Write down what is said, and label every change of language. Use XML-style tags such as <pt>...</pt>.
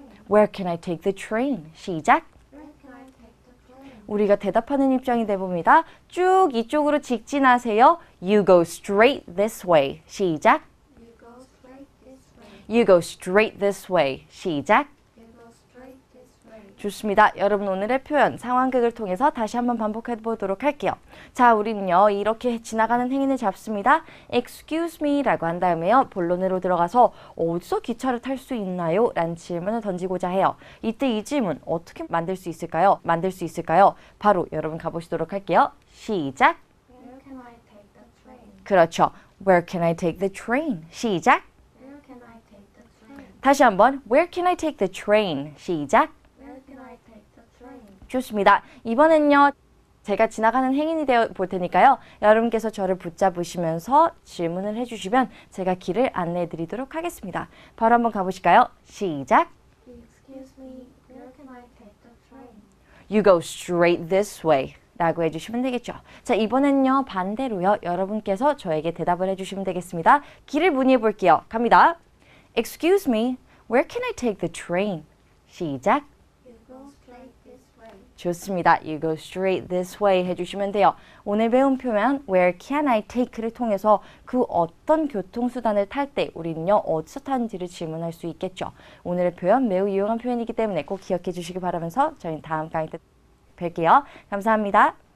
<en>Where can I take the train?</en> <ko>시작.</ko> <en>Where can I take the train?</en> <ko>우리가 대답하는 입장이 돼봅니다. 쭉 이쪽으로 직진하세요.</ko> <en>You go straight this way.</en> <ko>시작.</ko> <en>You go straight this way. You go straight this way.</en> <ko>시작.</ko> <en>You go straight this way.</en> <ko>좋습니다. 여러분 오늘의 표현 상황극을 통해서 다시 한번 반복해 보도록 할게요. 자, 우리는요 이렇게 지나가는 행인을 잡습니다.</ko> <en>Excuse me</en> <ko>라고 한 다음에요 본론으로 들어가서 어디서 기차를 탈 수 있나요? 라는 질문을 던지고자 해요. 이때 이 질문 어떻게 만들 수 있을까요? 만들 수 있을까요? 바로 여러분 가보시도록 할게요. 시작.</ko> <en>Where can I take the train?</en> <ko>그렇죠.</ko> <en>Where can I take the train?</en> <ko>시작.</ko> <en>Where can I take the train?</en> <ko>다시 한번.</ko> <en>Where can I take the train?</en> <ko>시작.</ko> <en>Where can I take the train?</en> <ko>좋습니다. 이번엔요. 제가 지나가는 행인이 되어 볼 테니까요. 여러분께서 저를 붙잡으시면서 질문을 해주시면 제가 길을 안내해 드리도록 하겠습니다. 바로 한번 가보실까요? 시작.</ko> <en>Excuse me. Where can I take the train? You go straight this way.</en> <ko>라고 해주시면 되겠죠. 자, 이번엔요 반대로요. 여러분께서 저에게 대답을 해주시면 되겠습니다. 길을 문의해 볼게요. 갑니다.</ko> <en>Excuse me, where can I take the train?</en> <ko>시작.</ko> <en>You go straight this way.</en> <ko>좋습니다.</ko> <en>You go straight this way</en> <ko>해주시면 돼요. 오늘 배운 표현</ko> <en>where can I take</en> <ko>를 통해서 그 어떤 교통수단을 탈 때 우리는요 어디서 타는지를 질문할 수 있겠죠. 오늘의 표현 매우 유용한 표현이기 때문에 꼭 기억해 주시기 바라면서 저희는 다음 강의 때 뵐게요. 감사합니다.</ko>